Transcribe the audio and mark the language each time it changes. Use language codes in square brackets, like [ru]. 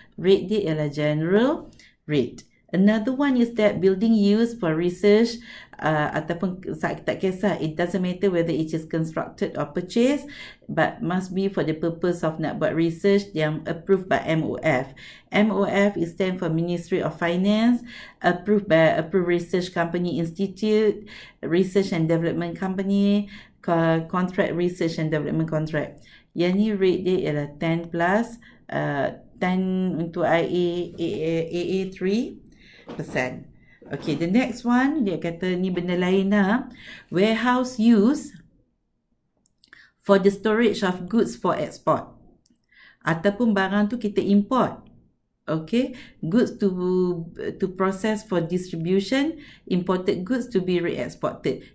[ms] Rate dia ialah general rate. [en] Another one is that building used for research [ms] ataupun tak kisah, [en] it doesn't matter whether it is constructed or purchased, but must be for the purpose of [ms] nak buat research yang [en] approved by MOF. MOF is stand for Ministry of Finance, approved by Approved Research Company Institute, Research and Development Company, Contract Research and Development Contract. [ms] Yang ni rate dia ialah 10 plus, 10 untuk AA3. [en] Percent. Okay, the next one, [ms] dia kata ni benda lain lah. [en] Warehouse use for the storage of goods for export. [ms] Ataupun barang tu kita import. [en] Okay, goods to process for distribution, imported goods to be re-exported.